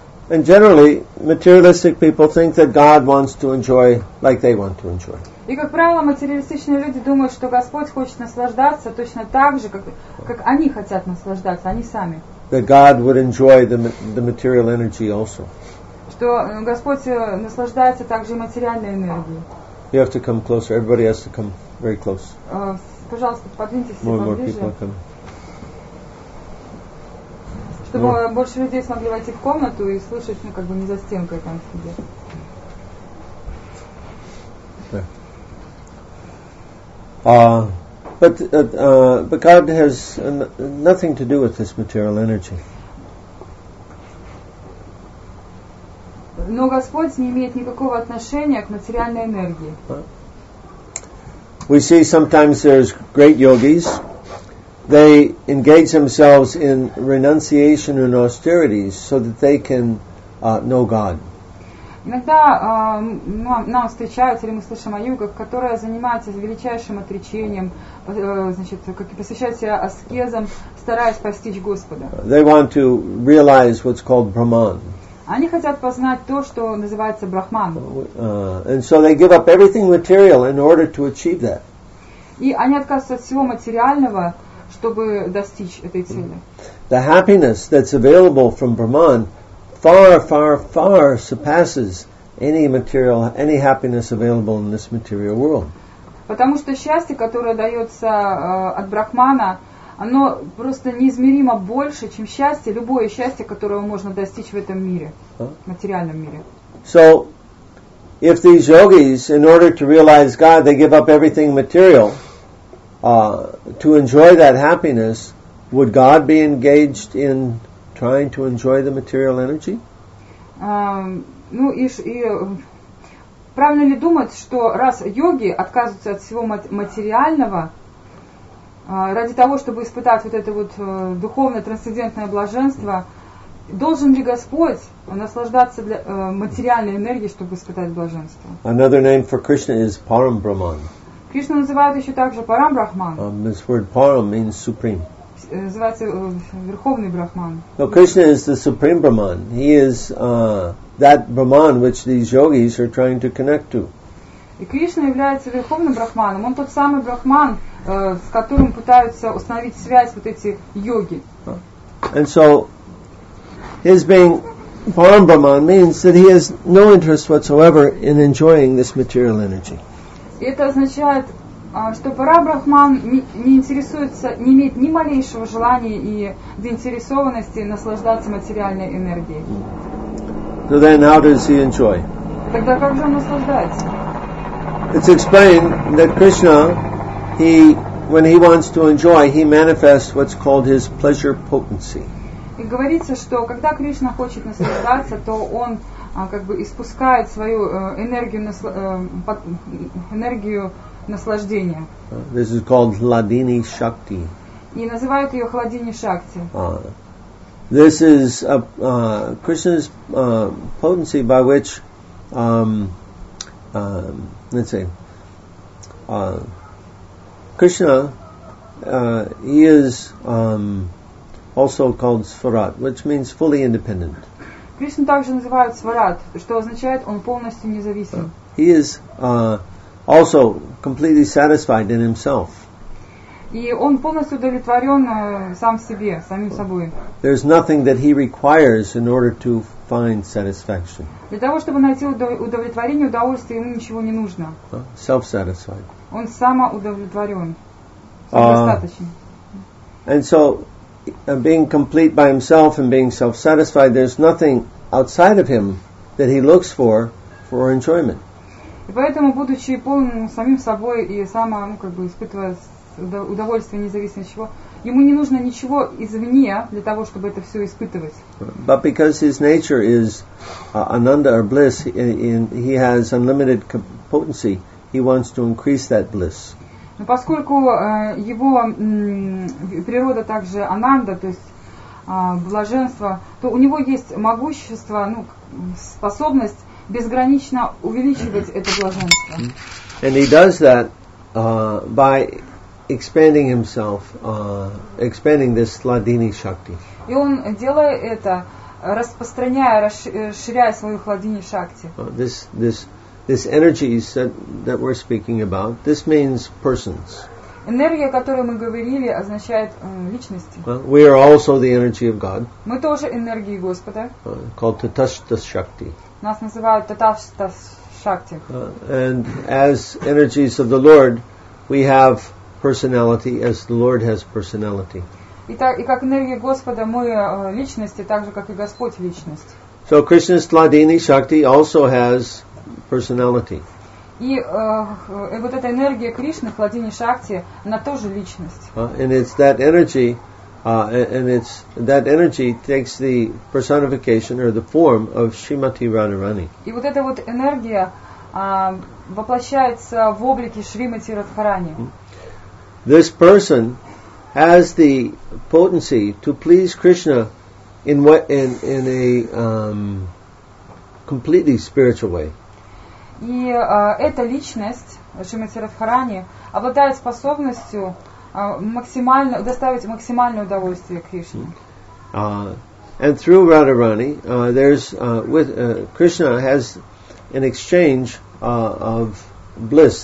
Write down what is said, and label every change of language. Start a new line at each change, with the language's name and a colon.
English: And generally, materialistic people think that God wants to enjoy like they want to enjoy.
Russian: И, как правило, материалистичные люди думают, что Господь хочет наслаждаться точно так же, как они хотят наслаждаться, они сами.
English: That God would enjoy the material energy also.
Russian: Что Господь наслаждается также материальной энергией.
English: You have to come closer. Everybody has to come very close.
Russian: Пожалуйста, подвиньтесь поближе.
English: More people are coming.
Russian: Чтобы больше людей смогли войти в комнату и слышать, ну, как бы не за стенкой там сидеть.
English: But God has nothing to do with this material energy.
Russian: Но Господь не имеет никакого отношения к материальной энергии.
English: We see sometimes there's great yogis. They engage themselves in renunciation and austerities so that they can know God.
Russian: Иногда нам встречаются, или мы слышим о йогах, которые занимаются величайшим отречением, значит, посвящают себя аскезам, стараясь постичь Господа.
English: They want to realize what's called Brahman.
Russian: Они хотят познать то, что называется Брахман.
English: And so they give up everything material in order to achieve that.
Russian: И они отказываются от всего материального, чтобы достичь этой цели.
English: The happiness that's available from Brahman far, far, far surpasses any happiness available in this material world.
Russian: Потому что счастье, которое дается от Брахмана, оно просто неизмеримо больше, чем счастье, любое счастье, которого можно достичь в этом мире, в материальном мире.
English: So, if these yogis, in order to realize God, they give up everything material, to enjoy that happiness, would God be engaged in trying to enjoy the material energy?
Russian: Ну и правильно ли думать, что раз йоги отказываются от всего материального ради того, чтобы испытать вот это вот духовное трансцендентное блаженство, должен ли Господь наслаждаться для, материальной энергией, чтобы испытать блаженство?
English: Another name for Krishna is Param Brahman.
Russian: Кришну называют еще также Param Brahman.
English: This word Param means supreme.
Russian: Называется Верховный Брахман.
English: So Krishna is the supreme Brahman. He is that Brahman which these yogis are trying to connect to.
Russian: И Кришна является Верховным Брахманом. Он тот самый Брахман, с которым пытаются установить связь вот эти йоги.
English: And so his being Param Brahman means that he has no interest whatsoever in enjoying this material energy.
Russian: И это означает, что Парабрахман не интересуется, не имеет ни малейшего желания и заинтересованности наслаждаться материальной энергией.
English: So then how does he enjoy?
Russian: Тогда как же он наслаждается?
English: It's explained that Krishna, when he wants to enjoy, he manifests what's called his pleasure potency.
Russian: И говорится, что когда Кришна хочет наслаждаться, то он как бы испускает свою энергию наслаждения.
English: This is called Hladini Shakti.
Russian: И называют ее Hladini Shakti.
English: This is Krishna's potency by which let's see. Krishna he is also called Svarat, which means fully independent.
Russian: Krishna также называют Svarat, что означает он полностью независим.
English: He is also completely satisfied in himself.
Russian: И он полностью удовлетворен сам себе, самим собой.
English: There's nothing that he requires in order to find satisfaction.
Russian: Для того, чтобы найти удовлетворение, удовольствие, ему ничего не нужно.
English: Self-satisfied.
Russian: Он самоудовлетворен. Самодостаточен.
English: And so, being complete by himself and being self-satisfied, there's nothing outside of him that he looks for enjoyment.
Russian: И поэтому, будучи полным самим собой и само, ну, как бы испытывая удовольствие, независимо от чего, ему не нужно ничего извне для того, чтобы это все испытывать.
English: But because his nature is ananda or bliss, he has unlimited potency, he wants to increase that bliss.
Russian: Но поскольку его природа также ананда, то есть блаженство, то у него есть могущество, ну, способность безгранично увеличивать это блаженство.
English: And he does that by expanding himself, expanding this Hladini Shakti.
Russian: И он делает это, распространяя, расширяя свою Hladini Shakti.
English: This energy that we're speaking about, this means persons.
Russian: Энергия, о которой мы говорили, означает личности.
English: Well, we are also the energy of God.
Russian: Мы тоже энергии Господа.
English: Called Tatastha Shakti.
Russian: Нас называют Tatastha Shakti.
English: And as energies of the Lord, we have personality as the Lord has personality.
Russian: Итак, и как энергия Господа, мы личности, так же, как и Господь личность.
English: So Krishna's Hladini Shakti also has personality.
Russian: И вот эта энергия Кришны, Hladini Shakti, она тоже личность.
English: And it's that energy, and it's that energy takes the personification or the form of Shrimati Radharani.
Russian: И вот эта вот энергия воплощается в облике Шримати Радхарани.
English: This person has the potency to please Krishna in a completely spiritual way.
Russian: И эта личность, Шримати Радхарани, обладает способностью максимально доставить максимальное удовольствие Кришне.
English: And through Radharani, Krishna has an exchange of bliss.